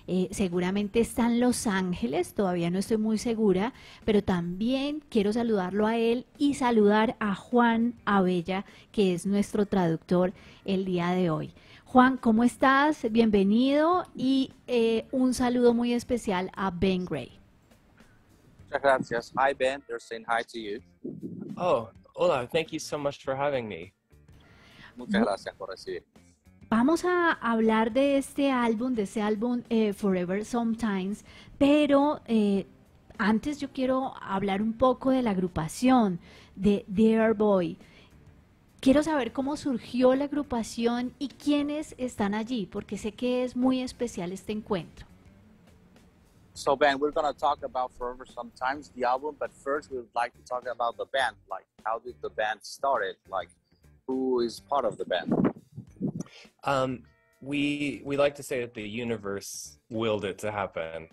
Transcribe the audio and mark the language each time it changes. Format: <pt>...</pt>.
<es>Seguramente está en Los Ángeles, todavía no estoy muy segura, pero también quiero saludarlo a él y saludar a Juan Abella, que es nuestro traductor el día de hoy. Juan, ¿cómo estás? Bienvenido y un saludo muy especial a Ben Gray. Muchas gracias.</es> <en>Hi Ben, they're saying hi to you. Oh, hola, thank you so much for having me.</en> <es>Muchas gracias por recibir. Vamos a hablar de este álbum, Forever Sometimes, pero antes yo quiero hablar un poco de la agrupación de Dear Boy. Quiero saber cómo surgió la agrupación y quiénes están allí, porque sé que es muy especial este encuentro.</es> <en>So Ben, we're going to talk about Forever Sometimes, the album, but first we would like to talk about the band, like how did the band started, like who is part of the band? We like to say that the universe willed it to happen.</en>